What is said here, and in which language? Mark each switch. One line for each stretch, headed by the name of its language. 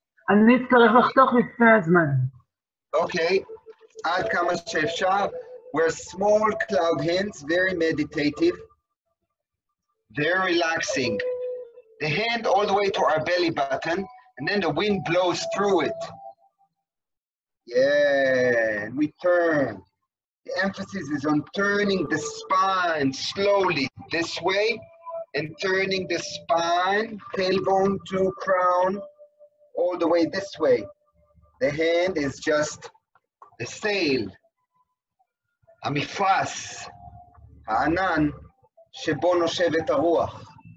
Hebrew: אני אצטרך לחתוך לפני הזמן. אוקיי, okay. עד כמה שאפשר.
English: We're small cloud hands, very meditative, very relaxing. The hand all the way to our belly button, and then the wind blows through it. Yeah, we turn. The emphasis is on turning the spine slowly this way, and turning the spine, tailbone to crown, all the way this way. The hand is just the sail.
Hebrew: המפרס, הענן שבו נושבת הרוח.